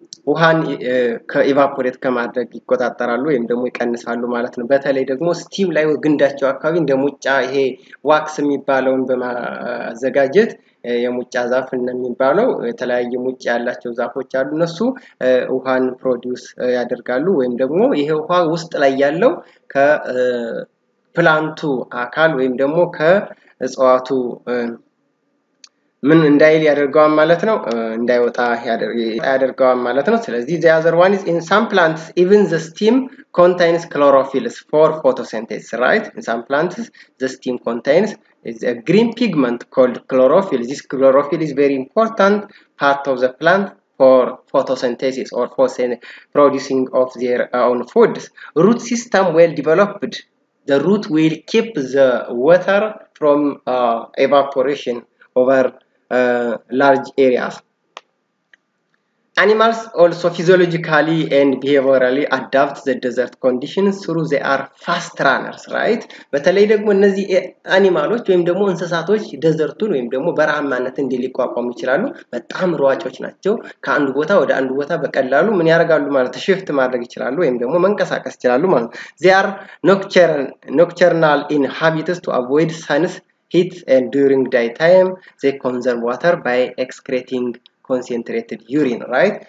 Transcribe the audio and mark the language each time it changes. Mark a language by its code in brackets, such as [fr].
[am] ውሃን ከኢቫፖሬት ከማድረግ ይቆጣጠራሉ ወይም ደግሞ ይቀንሳሉ ማለት ነው። በተለይ ደግሞ ስቲም ላይ ግንዳቸው አካባቢ እንደ ሙጫ ይሄ ዋክስ የሚባለውን በማዘጋጀት የሙጫ ዛፍ እንደሚባለው የተለያዩ ሙጫ ያላቸው ዛፎች አሉ። እነሱ ውሃን ፕሮዲውስ ያደርጋሉ ወይም ደግሞ ይሄ ውሃ ውስጥ ላይ ያለው ከፕላንቱ አካል ወይም ደግሞ ከእጽዋቱ ምን እንዳይል ያደርገዋል ማለት ነው። እንዳይወጣ ያደርገዋል ማለት ነው። ስለዚህ [en] the other one is in some plants even the stem contains chlorophylls for photosynthesis, right? In some plants the stem contains is a green pigment called chlorophyll. This chlorophyll is very important part of the plant for photosynthesis or for producing of their own food. Root system well developed, the root will keep the water from evaporation over large areas. Animals also physiologically and behaviorally adapt the desert conditions through they are fast runners, right? [am] በተለይ ደግሞ እነዚህ አኒማሎች ወይም ደግሞ እንስሳቶች ደዘርቱን ወይም ደግሞ በረሃማነትን እንዲሊቋቋሙ ይችላሉ። በጣም ሯጮች ናቸው። ከአንድ ቦታ ወደ አንድ ቦታ በቀላሉ ምን ያደርጋሉ ማለት ሽፍት ማድረግ ይችላሉ ወይም ደግሞ መንቀሳቀስ ይችላሉ ማለት ነው። [en] They are nocturnal in habitats to avoid suns heat, and during daytime they conserve water by excreting concentrated urine, right?